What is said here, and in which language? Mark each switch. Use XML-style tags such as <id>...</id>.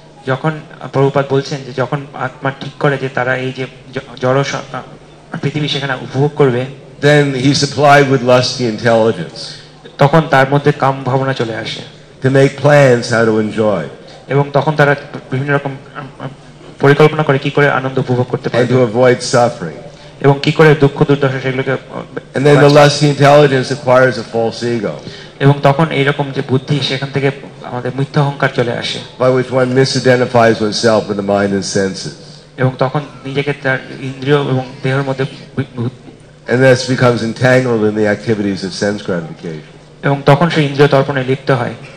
<bn>যখন প্রভুপাদ বলছেন যে যখন আত্মা ঠিক করে যে তারা এই যে জড় পৃথিবী সেখানে উপভোগ করবে,</bn> <en>then he supplied with lusty intelligence,</en> <bn>তখন তার মধ্যে কাম ভাবনা চলে আসে,</bn> <en>to make plans how to enjoy,</en> <bn>এবং তখন তারা বিভিন্ন রকম পরিকল্পনা করে কি করে আনন্দ উপভোগ করতে পারে,</bn> <en>to avoid suffering,</en> <bn>এবং কি করে দুঃখ দুর্দশা সেগুলোকে,</bn> <en>and then the lusty intelligence acquires a false ego,</en> <bn>এবং তখন এই রকম যে বুদ্ধি সেখান থেকে আমাদের মিথ্যা অহংকার চলে আসে,</bn> <en>by which one misidentifies oneself with the mind and senses,</en> <bn>এবং তখন নিজেকে তার ইন্দ্রিয় এবং দেহের মধ্যে,</bn> <en>and this becomes entangled in the activities of sense gratification.</en> <bn>এবং তখন সেই ইন্দ্রিয় তর্পণে লিপ্ত হয়.</bn>